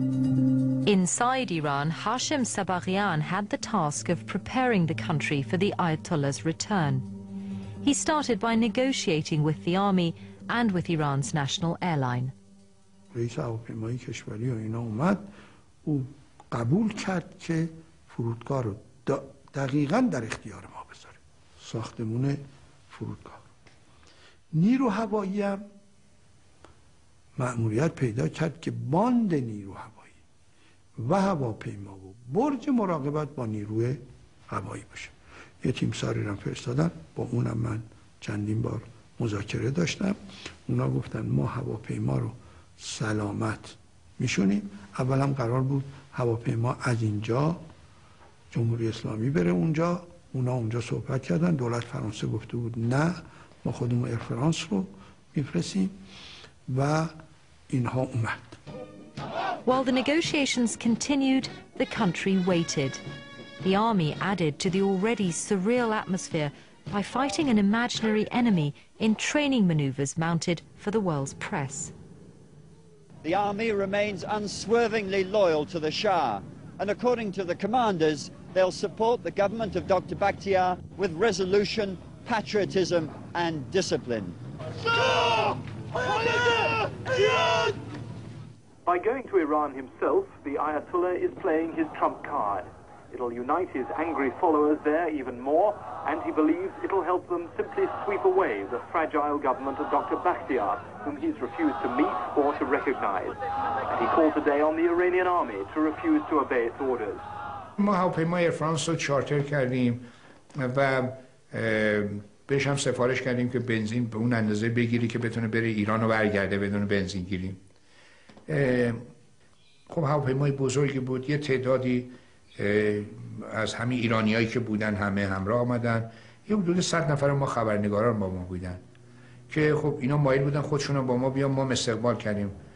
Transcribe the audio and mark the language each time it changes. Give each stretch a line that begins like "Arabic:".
English: Inside Iran, Hashim Sabaghian had the task of preparing the country for the Ayatollah's return. He started by negotiating with the army and with Iran's national airline.
Persian: رئیس هواپیمای کشوری و اینا اومد، او قبول کرد که فرودگاه رو دقیقاً در اختیار ما بذاره، ساختمون فرودگاه. نیرو هوایی هم مأموریت پیدا کرد که باند نیرو هوایی و هواپیما و برج مراقبت با نیروی هوایی باشه. یه تیمساری رو فرستادن، با اونم من چندین بار مذاکره داشتم. اونا گفتن ما هواپیما رو سلامت میشونیم. اولم قرار بود هواپیما از اینجا جمهوری اسلامی بره اونجا، اونا اونجا صحبت کردن، دولت فرانسه گفته بود نه، ما خودمون ایر فرانس رو میفرستیم و اینها اومد.
English: While the negotiations continued, the country waited. The army added to the already surreal atmosphere by fighting an imaginary enemy in training maneuvers mounted for the world's press. The army remains unswervingly loyal to the Shah, and according to the commanders, they'll support the government of Dr. Bakhtiar with resolution, patriotism, and discipline. By going to Iran himself, the Ayatollah is playing his trump card. It'll unite his angry followers there even more, and he believes it'll help them simply sweep away the fragile government of Dr. Bakhtiar, whom he's refused to meet or to recognize. And he called today on the Iranian army to refuse to obey its orders.
Persian: ما هواپیمای فرانس رو چارتر کردیم و بهش هم سفارش کردیم که بنزین به اون اندازه بگیری که بتونه بره ایران و برگرده بدون بنزین گیری. خب هواپیمای بزرگی بود، یه تعدادی از همین ایرانیایی که بودن همه همراه آمدن، یه حدود 100 نفر ما خبرنگاران با ما بودن که خب اینا مایل بودن خودشون با ما بیان، ما استقبال کردیم.